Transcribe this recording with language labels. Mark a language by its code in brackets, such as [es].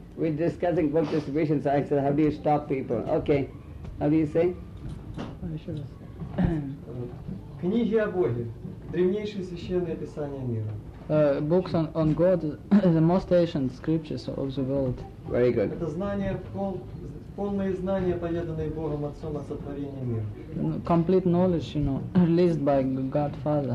[en] We're discussing book distribution, so I said, how do you stop people? Okay. How do you say? [ru] Еще раз. Книги о Боге, древнейшие священные писания мира. [en] Books on God, the most ancient scriptures of the world. Very good. [ru] Это знания, полные знания, поведанные Богом Отцом о сотворении мира. [en] Complete knowledge, you know, released by God Father.